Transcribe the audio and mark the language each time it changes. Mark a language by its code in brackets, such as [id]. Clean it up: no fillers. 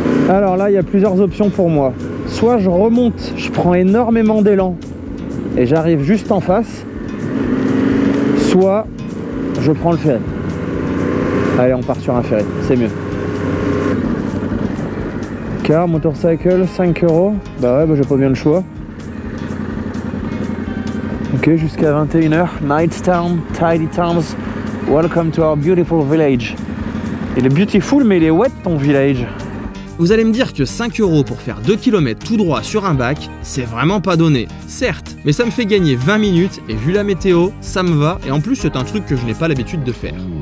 [fr] Alors là, il y a plusieurs options pour moi. Soit je remonte, je prends énormément d'élan et j'arrive juste en face. Soit je prends le ferry. Allez, on part sur un ferry, c'est mieux. [en] Car, motorcycle, [fr] 5 euros. Bah ouais, bah j'ai pas bien le choix. Ok, jusqu'à 21h. [en] Nightstown, Tidy Towns, welcome to our beautiful village. [fr] Il est [en] beautiful, [fr] mais il est [en] wet [fr] ton village. Vous allez me dire que 5 euros pour faire 2 km tout droit sur un bac, c'est vraiment pas donné. Certes, mais ça me fait gagner 20 minutes et vu la météo, ça me va et en plus c'est un truc que je n'ai pas l'habitude de faire.